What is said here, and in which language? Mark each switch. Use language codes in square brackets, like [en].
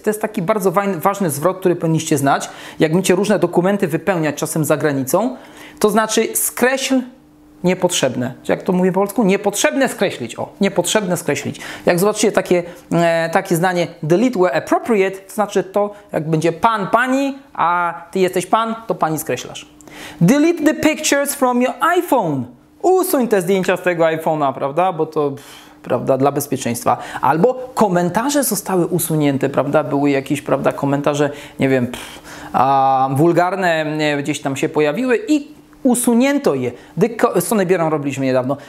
[pl] To jest taki bardzo ważny zwrot, który powinniście znać. Jak będziecie różne dokumenty wypełniać czasem za granicą, to znaczy skreśl niepotrzebne. Jak to mówię po polsku? Niepotrzebne skreślić. O, niepotrzebne skreślić. Jak zobaczycie takie zdanie [en] delete where appropriate, [pl] to znaczy to, jak będzie pan, pani, a ty jesteś pan, to pani skreślasz. [en] Delete the pictures from your iPhone. [pl] Usuń te zdjęcia z tego iPhone'a, prawda? Bo to, prawda, dla bezpieczeństwa. Albo komentarze zostały usunięte, prawda? Były jakieś, prawda, komentarze, nie wiem, wulgarne gdzieś tam się pojawiły i usunięto je. Sonę Bieran robiliśmy niedawno.